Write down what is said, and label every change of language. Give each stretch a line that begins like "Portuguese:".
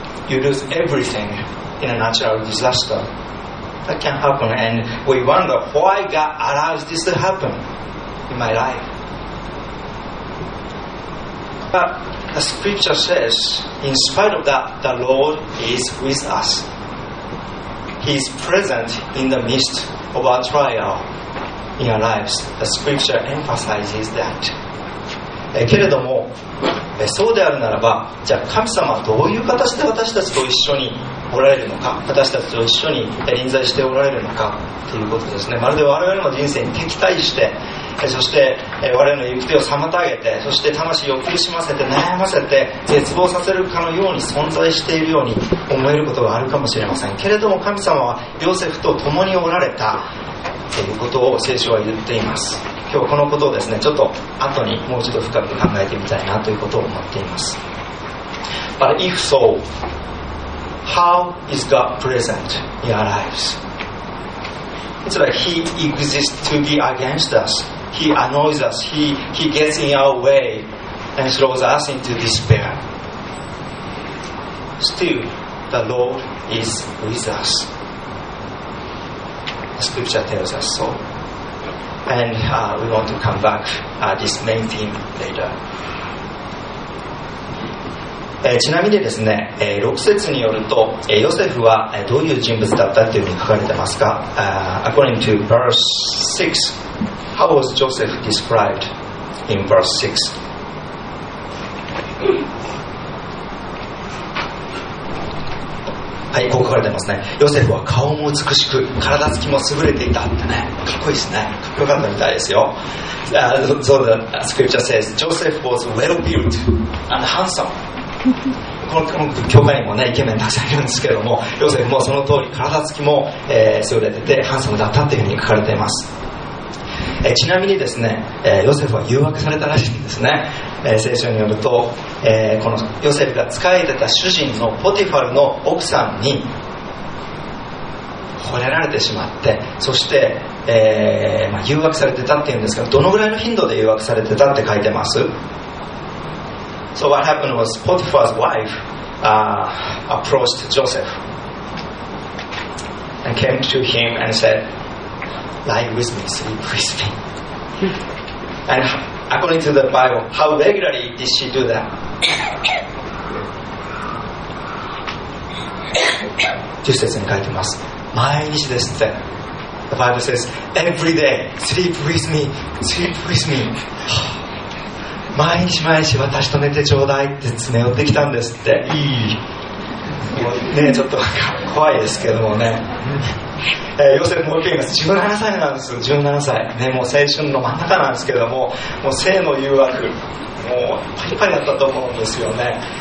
English: You lose everything in a natural disaster. That can happen, and we wonder why God allows this to happen in my life. But the scripture says, in spite of that, the Lord is with us. He is present in the midst of our trial. In our lives, the scripture emphasizes that.
Japanese: けれども、そうであるならば、じゃあ神様はどういう形で私たちと一緒におられるのか、私たちと一緒に臨在しておられるのかということですね。まるで我々の人生に敵対して、そして我々の行く手を妨げて、そして魂を苦しませて悩ませて絶望させるかのように存在しているように思えることがあるかもしれません。けれども神様はヨセフと共におられたということを聖書は言っています。今日このことをですね、ちょっと後にもう一度深く考えてみたいなということを思っています。
English: But if soHow is God present in our lives? It's like He exists to be against us. He annoys us. He gets in our way and throws us into despair. Still, the Lord is with us. Scripture tells us so. And we want to come back to this main theme later.
Japanese: ちなみにですね、6節によるとヨセフはどういう人物だったというふうに書かれてますか。
English: According to verse 6, how was Joseph described in verse 6?
Japanese: はい、こう書かれてますね。ヨセフは顔も美しく体つきも優れていたってね、かっこいいですね。かっこよかったみたいですよ。
English: So the scripture says Joseph was well built and handsome
Japanese: この教会にも、ね、イケメンたくさんいるんですけれども、ヨセフもその通り体つきも、優れててハンサムだったというふうに書かれています。ちなみにですね、ヨセフは誘惑されたらしいんですね。聖書によると、このヨセフが仕えてた主人のポティファルの奥さんに惚れられてしまって、そして、誘惑されてたっていうんですけど、どのぐらいの頻度で誘惑されてたって書いてます。
English: So what happened was Potiphar's wife approached Joseph and came to him and said, "Lie with me, sleep with me." And according to the Bible, how regularly did she do that? Just as in Kaitimas, my business then. The Bible says, "Every day, sleep with me, sleep with me."
Japanese: 毎日毎日私と寝てちょうだいって詰め寄ってきたんですって。いい、ね、ちょっと怖いですけどもね。ヨセフも言います。17歳なんです。 17歳、ね、もう青春の真ん中なんですけども、もう性の誘惑もうパリパリだったと思うんですよね。